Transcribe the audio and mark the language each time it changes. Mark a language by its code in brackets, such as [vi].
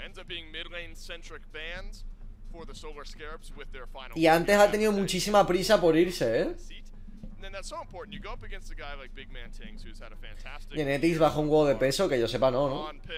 [en] Ends up being mid lane centric bans for the Solar Scarabs with their final. [es] Y antes ha tenido muchísima prisa por irse, eh. [en] And then that's so important. You go up against a guy like Big Man Tings, who's had a fantastic. [es] Genetics bajo un huevo de peso, que yo sepa, no, ¿no?